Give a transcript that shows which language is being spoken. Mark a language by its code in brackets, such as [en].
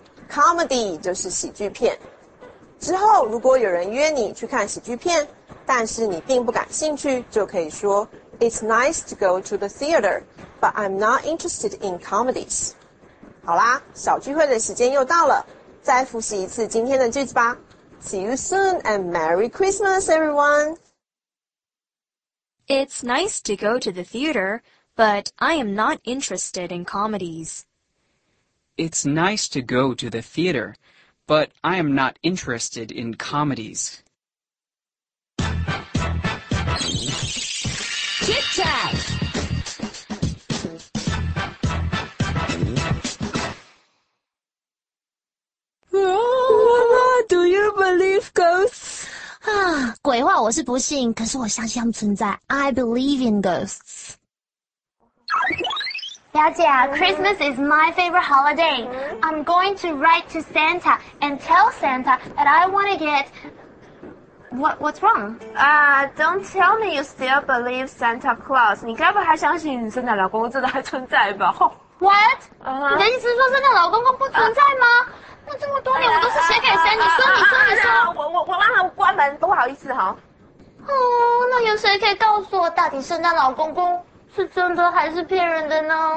[zh] Comedy 就是喜剧片。之后如果有人约你去看喜剧片，但是你并不感兴趣，就可以说 [en] It's nice to go to the theater, but I'm not interested in comedies. [zh] 好啦，小聚会的时间又到了，再复习一次今天的句子吧。 [en] See you soon and Merry Christmas everyone. It's nice to go to the theater,But I am not interested in comedies. It's nice to go to the theater, but I am not interested in comedies. Kit Kat! Oh, do you believe ghosts? [zh] 啊，鬼话我是不信，可是我相信他们存在。 [en] I believe in ghosts. 表姐 Christmas is my favorite holiday. I'm going to write to Santa and tell Santa that I want to get... What's wrong? Don't tell me you still believe Santa Claus. [zh] 你该不还相信你圣诞老公公真的还存在吧？ [en] What? [zh] 你的意思是说圣诞老公公不存在吗？那这么多年我都是写给谁？你说。我让他关门，不好意思哈。哦，那有谁可以告诉我到底圣诞老公公是真的还是骗人的呢？